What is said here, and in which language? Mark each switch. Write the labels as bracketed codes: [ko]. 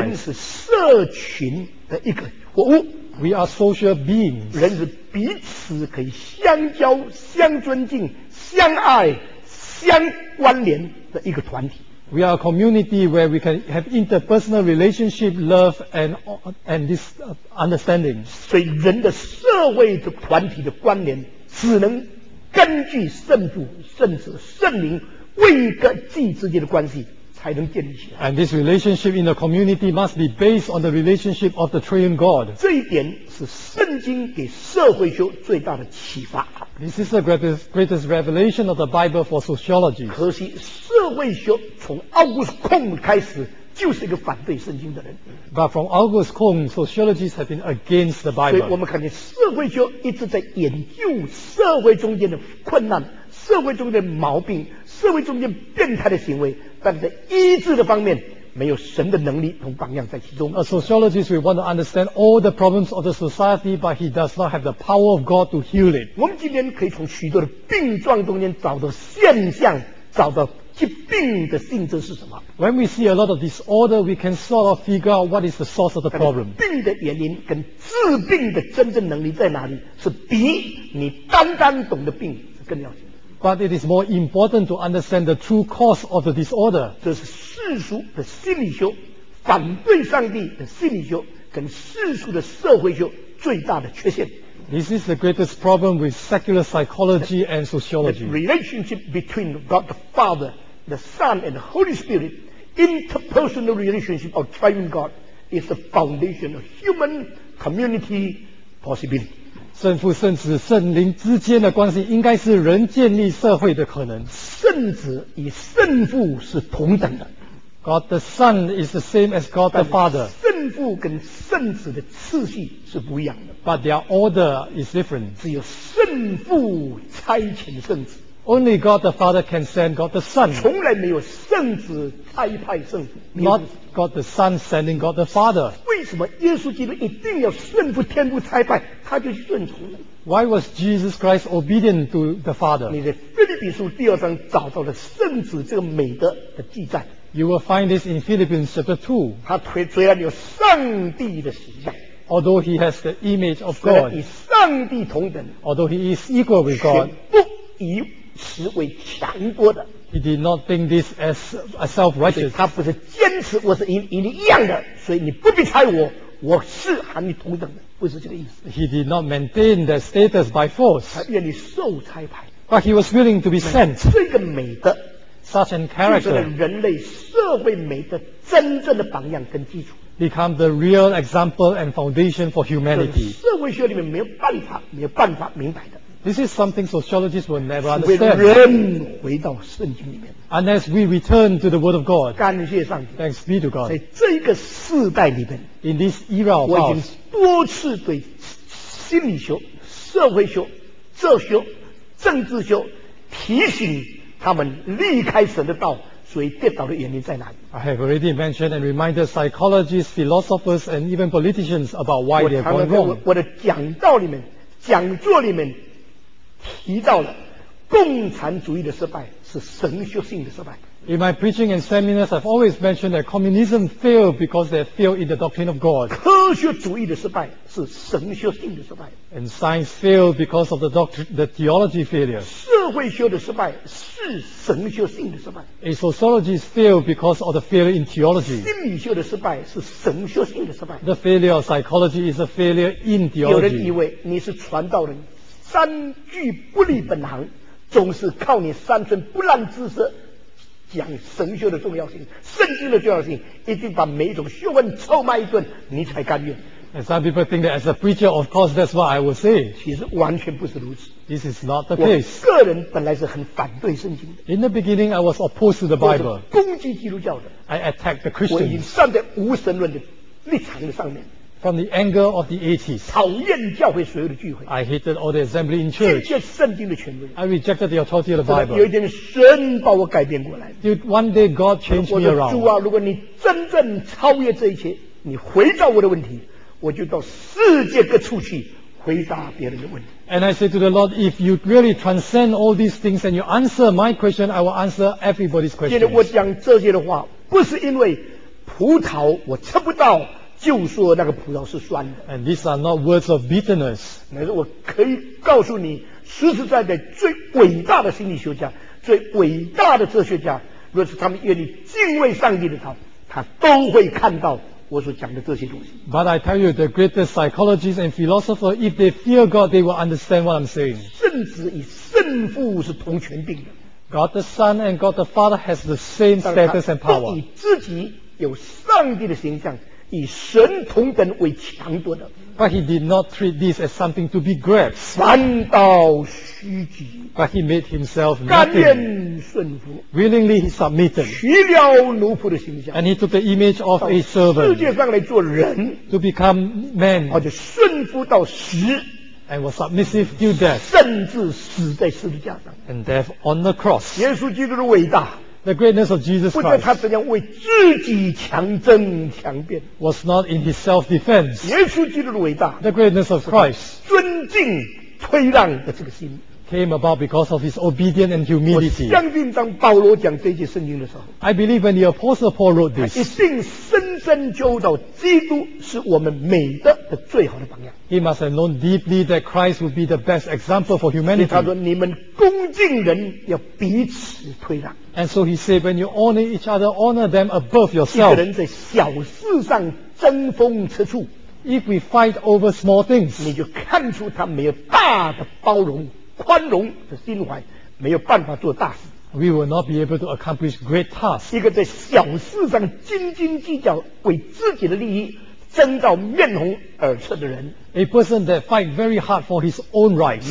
[zh] 人是社群的一个活物。 [en] We are social beings. [zh] 人是彼此可以相交、相尊敬、相爱、相关联的一个团体。 [en] We are a community where we can have interpersonal relationship, love, and this understanding. [zh] 所以人的社会的团体的关联只能根据圣主、圣子、圣灵为个祭之间的关系才能建立起来。 [en] And this relationship in the community must be based on the relationship of the Triune God. [zh] 这一点是圣经给社会学最大的启发。 [en] This is the greatest revelation of the Bible for sociology. [zh] 可惜社会学从奥古斯孔开始就是一个反对圣经的人。 [en] But from August Kuhn, sociologists have been against the Bible. [zh] 所以我们看见社会学一直在研究社会中间的困难、社会中间的毛病、社会中间变态的行为，但在医治的方面没有神的能力同榜样在其中。 [en] A sociologist will want to understand all the problems of the society, but he does not have the power of God to heal it. [zh] 我们今天可以从许多的病状中间找到现象，找到疾病的性质是什么。 [en] When we see a lot of disorder, we can sort of figure out what is the source of the problem. [zh] 病的原因跟治病的真正能力在哪里？是比你单单懂的病是更要紧。 [en] But it is more important to understand the true cause of the disorder. [zh] 这是世俗的心理学，反对上帝的心理学，跟世俗的社会学最大的缺陷。 [en] This is the greatest problem with secular psychology and sociology. The relationship between God the Father, the Son, and the Holy Spirit, interpersonal relationship of Triune God, is the foundation of human community possibility. [zh] 圣父、圣子、圣灵之间的关系应该是人建立社会的可能。圣子与圣父是同等的。 [en] God the Son is the same as God the Father. [zh] 圣父跟圣子的次序是不一样的。 [en] But their order is different. [zh] 只有圣父差遣圣子。 [en] Only God the Father can send God the Son. [zh] 从来没有圣子差派圣父。 [en] Not God the Son sending God the Father. [zh] 为什么耶稣基督一定要圣父天父差派，他就去顺从呢？ [en] Why was Jesus Christ obedient to the Father? [zh] 你在腓立比书第二章找到了圣子这个美德的记载。 [en] You will find this in Philippians chapter 2. [zh] 他虽然有上帝的形象， [en] although he has the image of God, [zh] 与上帝同等， [en] although he is equal with God, [zh] 不以此为强夺的， [en] he did not think this as a self-righteous. [zh] 他不是坚持我是与你一样的，所以你不必猜我，我是和你同等的，不是这个意思。 [en] He did not maintain that status by force. [zh] 他愿意受差派， [en] but he was willing to be sent. [zh] 这个美德 [en] Such an character, [zh] 就是人类社会美的真正的榜样跟基础 [en] become the real example and foundation for humanity. [zh] 社会学里面没有办法，没有办法明白的。 [en] This is something sociologists will never understand. [zh] 除非人回到圣经里面。 [en] Unless we return to the Word of God. [zh] 感谢上帝。 [en] Thanks be to God. [zh] 在这个世代里面 [en] ，In this era of ours, [zh] 我已经多次对心理学、社会学、哲学、政治学提醒。他们离开神的道，所以跌倒的原因在哪里？ [en] I have already mentioned and reminded psychologists, philosophers, and even politicians about why they're going wrong. [zh] 我的讲道里面、讲座里面提到了共产主义的失败是神学性的失败。 [en] In my preaching and seminars, I've always mentioned that communism failed because they failed in the doctrine of God. [zh] 科学主义的失败是神学性的失败。 [en] And science failed because of the theology failure. [zh] 社会学的失败是神学性的失败。 [en] And sociology failed because of the failure in theology. [zh] 心理学的失败是神学性的失败。 [en] The failure of psychology is a failure in theology. [zh] 有人以为你是传道人，三句不离本行，总是靠你三寸不烂之舌。讲神学的重要性，圣经的重要性，一定把每一种学问臭骂一顿，你才甘愿。 [en] And some people think that as a preacher, of course, that's what I would say. [zh] 其实完全不是如此。 [en] This is not the case. [zh] 我个人本来是很反对圣经的。 [en] In the beginning, I was opposed to the Bible. [zh] 我是攻击基督教的。 [en] I attacked the Christians. [zh] 我已经站在无神论的立场的上面。 [en] From the anger of the 80s, [zh] 讨厌教会所有的聚会。 [en] I hated all the assembly in church. [zh] 拒绝圣经的权威。 [en] I rejected the authority of the Bible. [zh] 有一天神把我改变过来。 [en] One day God changed me around. [zh] 主啊，如果你真正超越这一切，你回答我的问题，我就到世界各处去回答别人的问题。 [en] And I said to the Lord, if you really transcend all these things and you answer my question, I will answer everybody's question. [zh] 今天我讲这些的话，不是因为葡萄我吃不到。就说那个葡萄是酸的。 [en] And these are not words of bitterness. [zh] 乃是我可以告诉你，实实在在最伟大的心理学家、最伟大的哲学家，若是他们愿意敬畏上帝的他，他都会看到我所讲的这些东西。 [en] But I tell you, the greatest psychologists and philosophers, if they fear God, they will understand what I'm saying. [zh] 圣子与圣父是同权柄的。 [en] God the Son and God the Father has the same status and power. [zh] 以自己有上帝的形象，以神同等为强夺的。 [en] But he did not treat this as something to be grasped. [zh] 反倒虚己。 [en] But he made himself nothing. Willingly he submitted. [zh] 取了奴仆的形象。 [en] And he took the image of a servant. [zh] 世界上来做人。 [en] To become man. [zh] 而且顺服到死。 [en] And was submissive to death. [zh] 甚至死在十字架上。 [en] And death on the cross. [zh] 耶稣基督的伟大。 [en] The greatness of Jesus Christ [zh] 不在他怎样为自己强争强辩 [en] was not in his self-defense. [zh] 耶稣基督的伟大 [en] the greatness of Christ [zh] 尊敬推让的这个心 [en] came about because of his obedience and humility. [zh] 我相信当保罗讲这些圣经的时候 [en] I believe when the apostle Paul wrote this [zh] 一定深深揪到基督是我们美德的最好的榜样 [en] He must have known deeply that Christ would be the best example for humanity. [zh] 他说你们恭敬人要彼此推让 [en] And so he said, when you honor each other, honor them above yourself. [zh] 一个人在小事上争风吃醋 [en] If we fight over small things, [zh] 你就看出他没有大的包容、宽容的心怀，没有办法做大事。 [en] We will not be able to accomplish great tasks. [zh] 一个在小事上斤斤计较、为自己的利益争到面红耳赤的人 [en] ，A person that fight very hard for his own rights，